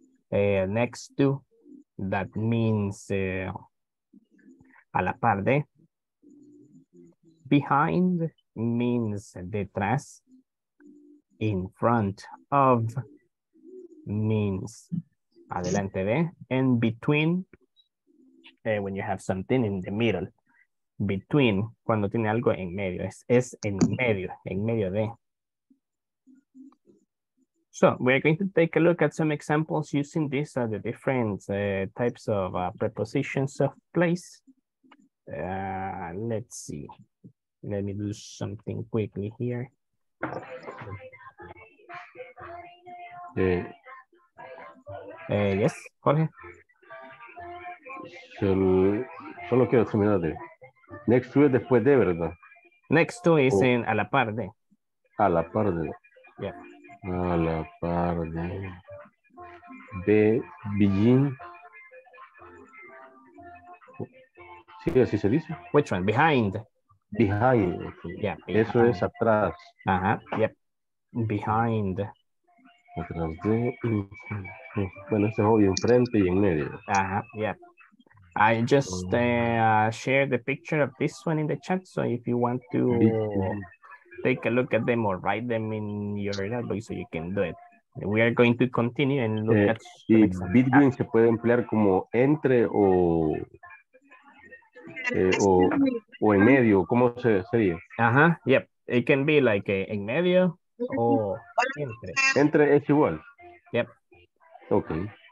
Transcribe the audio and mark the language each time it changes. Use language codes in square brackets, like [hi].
[en] Next to, that means [es] a la par de. [en] Behind means [es] detrás. [en] In front of means [es] adelante de, [en] and between, when you have something in the middle. [es] Between, cuando tiene algo en medio, es en medio de. [en] So we're going to take a look at some examples using these are the different types of prepositions of place. Let's see. Let me do something quickly here. Yes, Jorge. [es] Solo quiero terminar de. [en] Next to [es] es después de, ¿verdad? [en] Next to is in [es] a la par de. A la par de. [en] Yeah. [es] A la par de. De begin. Sí, así se dice. [en] Which one? Behind. Behind. Okay. Yeah. [es] Behind. Eso es atrás. [en] Ajá. Yep. Behind. [es] Atrás de. Bueno, ese es obvio, enfrente y en medio. [en] Ajá. Yep. I just shared the picture of this one in the chat. So if you want to take a look at them or write them in your notebook, so you can do it. We are going to continue and look at. [es] Y between se puede emplear como entre o o en medio. ¿Cómo se sería? [en] Ajá. Uh-huh. Yep. It can be like [es] en medio o entre. Entre es igual. [en] Yep. Okay.